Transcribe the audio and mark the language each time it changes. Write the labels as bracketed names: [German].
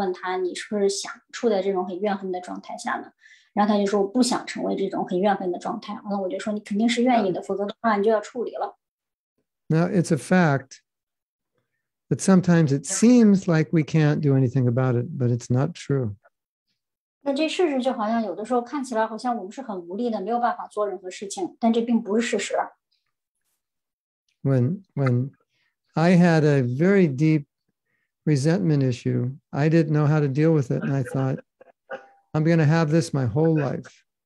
[Chinese] 那所以说，就是当人处在很怨恨的这种状态下的时候，我就会问他，你是不是想处在这种很怨恨的状态下呢？然后他就说不想成为这种很怨恨的状态，然后我就说你肯定是愿意的，否则的话你就要处理了。 [English] Now it's a fact that sometimes it seems like we can't do anything about it, but it's not true. [Chinese] 那这事实就好像有的时候看起来好像我们是很无力的，没有办法做任何事情，但这并不是事实。 [English] When I had a very deep resentment issue, I didn't know how to deal with it, and I thought, I'm going to have this my whole life.